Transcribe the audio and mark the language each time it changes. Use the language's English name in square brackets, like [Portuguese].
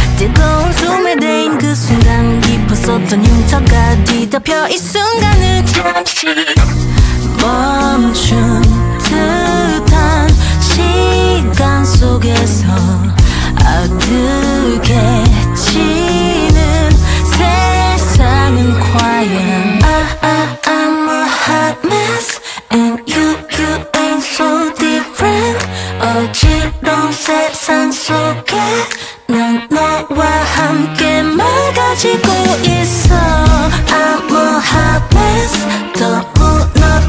[Korean] 뜨거운 숨에 데인 그 순간 깊었었던 흉터가 뒤덮여 이 순간은 잠시 멈춘 듯한 시간 속에서 어둡게 지는 세상은 과연. [English] I'm a hot mess and you ain't so different. [Korean] 어지러운 세상 속에 난 너와 함께 망가지고 있어. [English] I'm a hot mess [Korean] 더 무너